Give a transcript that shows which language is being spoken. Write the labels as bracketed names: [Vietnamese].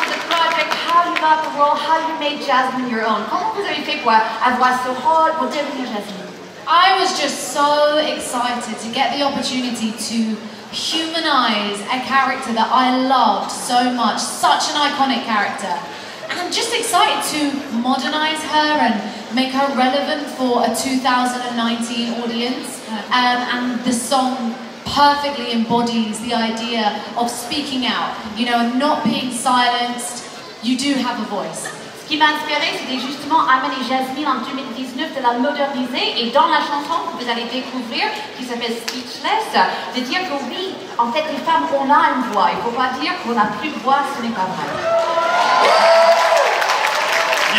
[English] The role, how you made Jasmine your own. [French] Comment vous avez fait pour avoir ce rôle pour devenir Jasmine? [English] I was just so excited to get the opportunity to humanize a character that I loved so much, such an iconic character. And I'm just excited to modernize her and make her relevant for a 2019 audience. And the song perfectly embodies the idea of speaking out, you know, and not being silenced. You do have a voice. [French] Ce qui m'a inspiré, c'était justement amener Jasmine en 2019, de la moderniser et dans la chanson que vous allez découvrir, qui s'appelle Speechless, de dire que oui, en fait, les femmes, on a une voix. Il ne faut pas dire qu'on n'a plus de voix, ce n'est pas vrai.